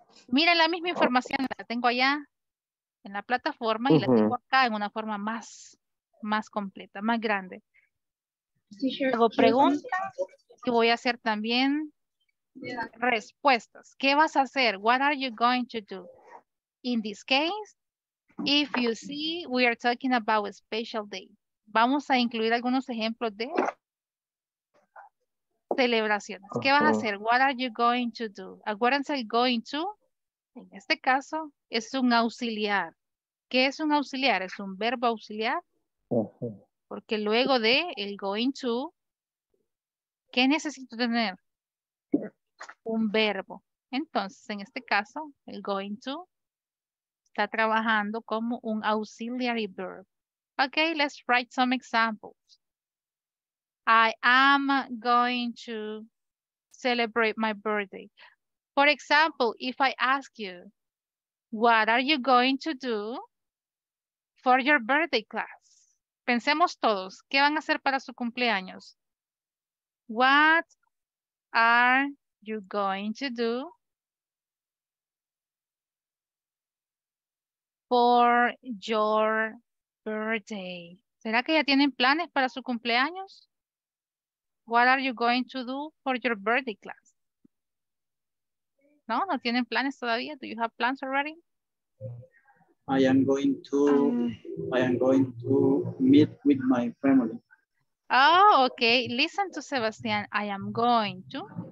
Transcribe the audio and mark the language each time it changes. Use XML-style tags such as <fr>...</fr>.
<es>Mira, la misma información la tengo allá en la plataforma y la tengo acá en una forma más, más completa, más grande. Hago preguntas y voy a hacer también respuestas. ¿Qué vas a hacer?</es> <en>What are you going to do? In this case, if you see, we are talking about a special day.</en> <es>Vamos a incluir algunos ejemplos de celebraciones. ¿Qué vas a hacer?</es> <en>What are you going to do?</en> <es>Acuérdense, el going to, en este caso, es un auxiliar. ¿Qué es un auxiliar? Es un verbo auxiliar. Porque luego de el going to, ¿qué necesito tener? Un verbo. Entonces, en este caso, el going to está trabajando como un auxiliary verb.</es> <en>Ok, let's write some examples. I am going to celebrate my birthday. For example, if I ask you, what are you going to do for your birthday class?</en> <es>Pensemos todos, ¿qué van a hacer para su cumpleaños?</es> <en>What are you going to do for your birthday?</en> <es>¿Será que ya tienen planes para su cumpleaños?</es> <en>What are you going to do for your birthday class?</en> <es>No, no tienen planes todavía.</es> <en>Do you have plans already? I am going to meet with my family. Oh, okay. Listen to Sebastian. I am going to.</en>